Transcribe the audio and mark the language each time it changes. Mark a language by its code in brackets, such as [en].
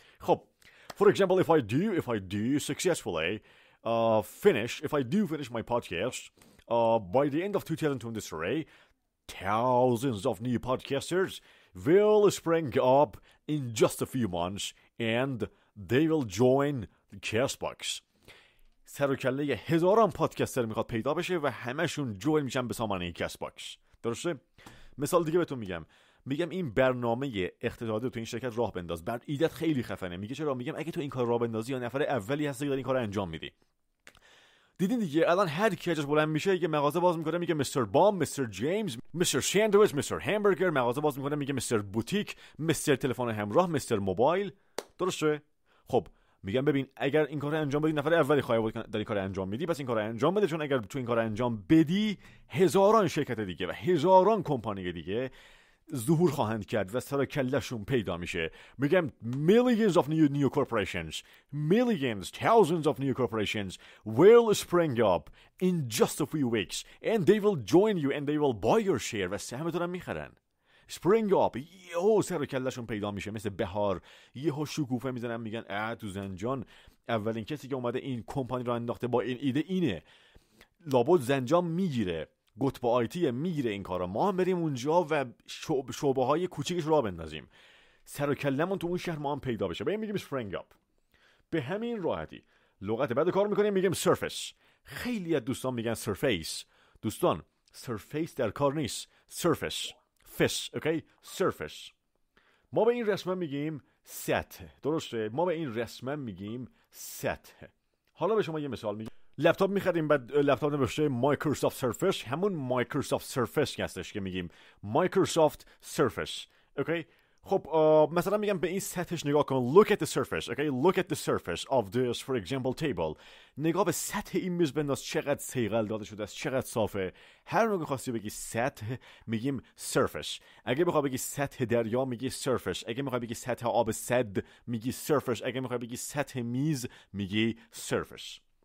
[fa] خب [en] for example if I do successfully finish my podcast by the end of 2023 thousands of new podcasters will spring up in just a few months and they will join the Castbox. [fa] سر و کله هزاران پادکستر میخواد پیدا بشه و همشون جوین میشن به سامانه کست باکس، درسته؟ مثال دیگه بهتون میگم، میگم این برنامه اقتصادی تو این شرکت راه بنداز، بر ایدت خیلی خفنه. میگه چرا؟ میگم اگه تو این کار راه بندازی یا نفر اولی هستی که داری این کار رو انجام میدی. دیدین دیگه الان هر کی اجازه بلند میشه یه مغازه باز میکنه میگه مستر بام، مستر جیمز، مستر ساندویچ، مستر همبرگر، مغازه باز میکنه میگه مستر بوتیک، مستر تلفن همراه، مستر موبایل، درسته؟ خب میگم ببین اگر این کارو انجام بدی نفر اولی خواهی بود که داری کارو انجام میدی، پس این کارو انجام بده، چون اگر تو این کارو انجام بدی هزاران شرکت دیگه و هزاران کمپانی دیگه ظهور خواهند کرد و سر و کلهشون پیدا میشه. میگم [en] millions of new corporations, millions, thousands of new corporations will spring up in just a few weeks and they will join you and they will buy your share. [fa] و سهمتون هم میخرن. spring up یهو سر و کلهشون پیدا میشه، مثل بهار یهو شکوفه میزنن، میگن اه تو زنجان اولین کسی که اومده این کمپانی رو انداخته با این ایده اینه. لابد زنجان میگیره، گتب آیتی میگیره این کارا، ما هم بریم اونجا و شعبه های کوچیکش رو بندازیم، سر و کلهمون تو اون شهر ما هم پیدا بشه. ببین میگیم spring up به همین راحتی. لغت بعد کار میکنیم میگیم surface. خیلی از دوستان میگن surface. دوستان surface در کار نیست، surface فش، اوکی؟ سرفش. ما به این رسمه میگیم سطح، درسته؟ ما به این رسمه میگیم سطح. حالا به شما یه مثال میگم. لپتاپ میخریم، بعد لپتاپ نوشته مایکروسافت سرفش، همون مایکروسافت سرفش هستش که میگیم مایکروسافت سرفش، اوکی؟ خب مثلا میگم به این سطحش نگاه کن، [en] look at the surface, okay? Look at the surface of this, for example, table. [fa] نگاه به سطح این میز بنداز، چقدر سیغل داده شده است، چقدر صافه. هر موقع خواستی بگی سطح میگیم surface. اگه میخوای بگی سطح دریا میگی surface. اگه میخوای بگی سطح آب سد میگی surface. اگه میخوای بگی سطح میز میگی surface.